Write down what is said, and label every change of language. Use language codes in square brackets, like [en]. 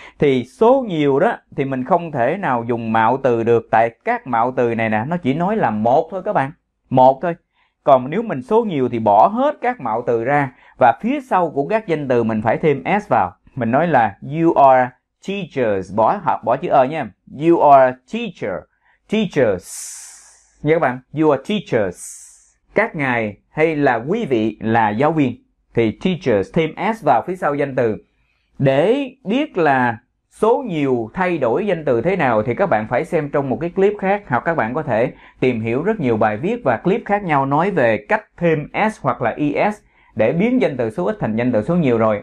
[vi] Thì số nhiều đó thì mình không thể nào dùng mạo từ được, tại các mạo từ này nè, nó chỉ nói là một thôi các bạn. Một thôi. Còn nếu mình số nhiều thì bỏ hết các mạo từ ra và phía sau của các danh từ mình phải thêm s vào. Mình nói là [en] you are teachers, [vi] bỏ chữ ờ nha. [en] You are teacher, teachers. [vi] Nhớ các bạn, [en] you are teachers. [vi] Các ngài hay là quý vị là giáo viên. Thì teachers thêm s vào phía sau danh từ. Để biết là số nhiều thay đổi danh từ thế nào thì các bạn phải xem trong một cái clip khác, hoặc các bạn có thể tìm hiểu rất nhiều bài viết và clip khác nhau nói về cách thêm s hoặc là es để biến danh từ số ít thành danh từ số nhiều rồi.